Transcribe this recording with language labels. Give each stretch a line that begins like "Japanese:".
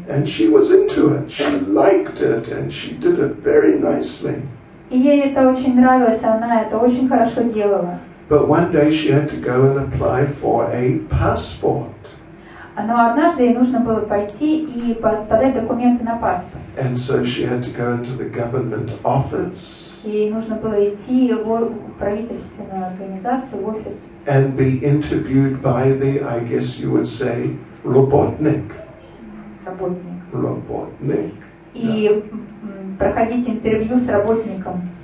English: And she was into it. She liked it, and she did it very nicely.
Russian: И ей это очень нравилось, она это очень хорошо делала.
English: But one day she had to go and apply for a passport.
Russian: Но однажды ей нужно было пойти и подать документы на паспорт.
English: And so she had to go into the government office.
Russian: Ей нужно было идти в правительственную организацию, в офис.
English: And be interviewed by the, I guess you would say, robotnik.
Russian: Robotnik. И проходить интервью с работником.